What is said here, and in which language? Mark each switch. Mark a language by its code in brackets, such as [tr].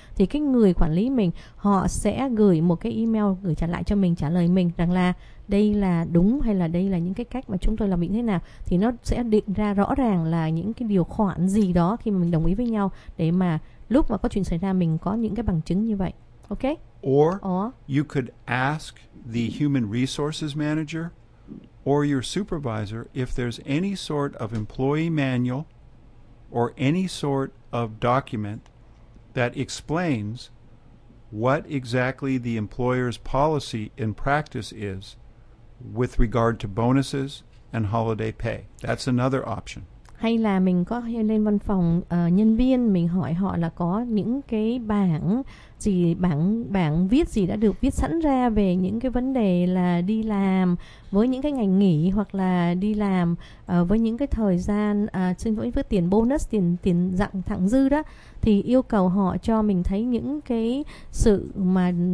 [vi] Thì cái người quản lý mình họ sẽ gửi một cái email gửi trả lại cho mình, trả lời mình rằng là đây là đúng hay là đây là những cái cách mà chúng tôi làm như thế nào. Thì nó sẽ định ra rõ ràng là những cái điều khoản gì đó khi mà mình đồng ý với nhau, để mà lúc mà có chuyện xảy ra mình có những cái bằng chứng như vậy. Ok? [en] Or you could ask the human resources manager or your supervisor if there's any sort of employee manual or any sort of document that explains what exactly the employer's policy in practice is with regard to bonuses and holiday pay. That's another option. [vi] Hay là mình có lên văn phòng nhân viên, mình hỏi họ là có những cái bảng gì, bảng viết gì đã được viết sẵn ra về những cái vấn đề là đi làm với những cái ngày nghỉ hoặc là đi làm với những cái thời gian xin lỗi, với tiền bonus, tiền dặn thẳng dư đó, thì yêu cầu họ cho mình thấy những cái sự mà